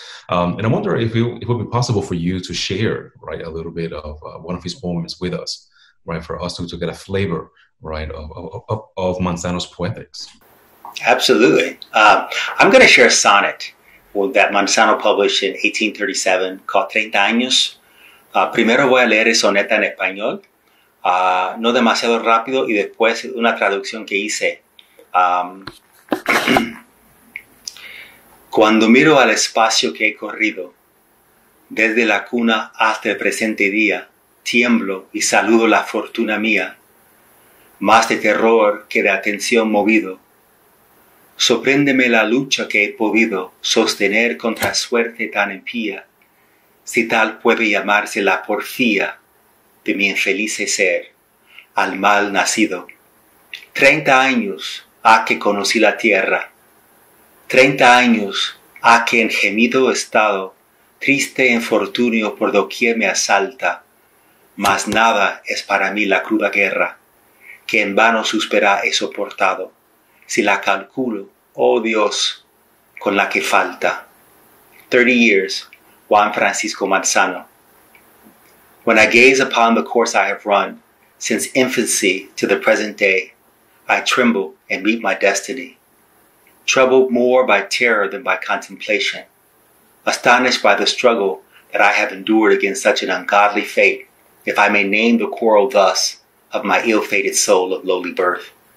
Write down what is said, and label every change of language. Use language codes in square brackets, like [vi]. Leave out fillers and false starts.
[en] And I wonder if it would be possible for you to share, right, a little bit of one of his poems with us, right? For us to get a flavor, right, of Manzano's poetics. Absolutely. I'm going to share a sonnet that Manzano published in 1837 called 30 años. [es] Primero voy a leer el soneto en español, no demasiado rápido, y después una traducción que hice. Cuando miro al espacio que he corrido, desde la cuna hasta el presente día, tiemblo y saludo la fortuna mía, más de terror que de atención movido. Sorpréndeme la lucha que he podido sostener contra suerte tan impía, si tal puede llamarse la porfía de mi infeliz ser, al mal nacido. 30 años ha que conocí la tierra, 30 años ha que en gemido estado, triste infortunio por doquier me asalta, mas nada es para mí la cruda guerra, que en vano suspera he soportado, si la calculo, oh Dios, con la que falta. [en] 30 years, Juan Francisco Manzano. When I gaze upon the course I have run, since infancy to the present day, I tremble and meet my destiny. Troubled more by terror than by contemplation, astonished by the struggle that I have endured against such an ungodly fate, if I may name the quarrel thus of my ill-fated soul of lowly birth.